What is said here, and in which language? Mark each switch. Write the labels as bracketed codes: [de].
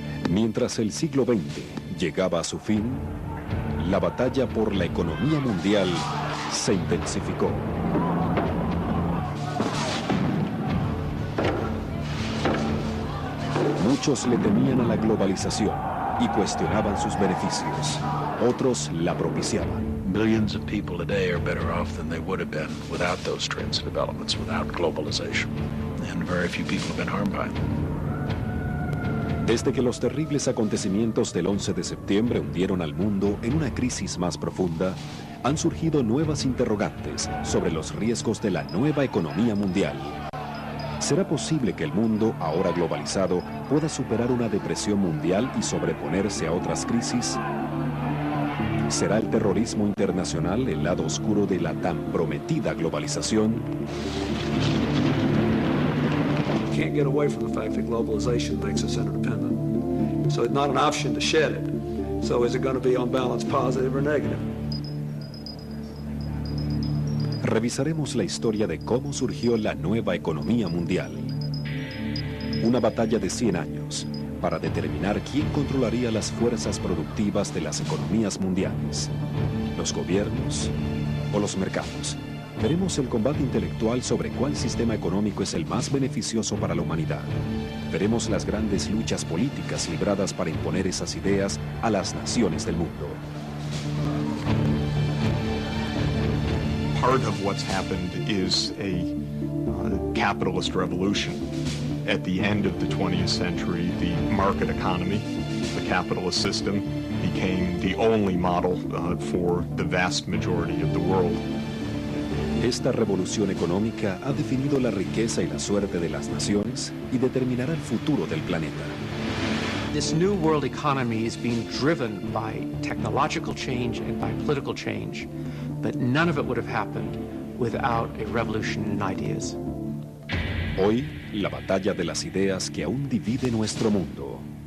[es] Mientras el siglo XX llegaba a su fin, la batalla por la economía mundial se intensificó. Muchos le temían a la globalización y cuestionaban sus beneficios. Otros la propiciaban. [en] Millions of people today are better off than they would have been without those trends and developments, without globalization. And very few people have been harmed by them. [es] Desde que los terribles acontecimientos del 11 de septiembre hundieron al mundo en una crisis más profunda, han surgido nuevas interrogantes sobre los riesgos de la nueva economía mundial. ¿Será posible que el mundo, ahora globalizado, pueda superar una depresión mundial y sobreponerse a otras crisis? ¿Será el terrorismo internacional el lado oscuro de la tan prometida globalización? [en] Can't get away from the fact that globalization makes us interdependent. So it's not an option to shed it. So is it going to be on balance positive or negative? [es] Revisaremos la historia de cómo surgió la nueva economía mundial. Una batalla de 100 años para determinar quién controlaría las fuerzas productivas de las economías mundiales. ¿Los gobiernos o los mercados? Veremos el combate intelectual sobre cuál sistema económico es el más beneficioso para la humanidad. Veremos las grandes luchas políticas libradas para imponer esas ideas a las naciones del mundo. [en] Part of what's happened is a capitalist revolution. At the end of the 20th century, the market economy, the capitalist system, became the only model for the vast majority of the world. [es] Esta revolución económica ha definido la riqueza y la suerte de las naciones y determinará el futuro del planeta. [en] This new world economy is being driven by technological change and by political change, but none of it would have happened without a revolution in ideas. [es] Hoy, la batalla de las ideas que aún divide nuestro mundo.